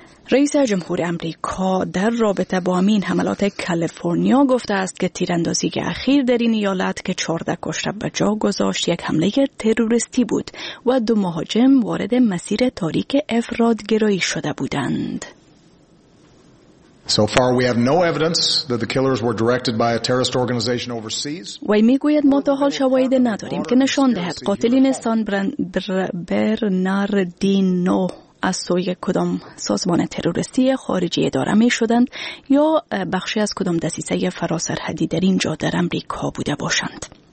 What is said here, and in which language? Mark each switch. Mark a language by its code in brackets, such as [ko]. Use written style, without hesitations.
[fa] رئیس جمهور آمریکا در رابطه با این حملات کالیفرنیا گفته است که تیراندازی اخیر در این ایالت که 14 کشته به جا گذاشت یک حمله تروریستی بود و دو مهاجم وارد مسیر تاریک افرادگرایی شده بودند. [en] So far we have no evidence that the killers were directed by a terrorist organization overseas. [fa] وی میگوید ما تا حال شواهدی نداریم که نشان دهد قاتلین سان برناردینو از سوی کدام سازمان تروریستی خارجی اداره می شدند یا بخشی از کدام دسیسه فراسرحدی در اینجا در امریکا بوده باشند.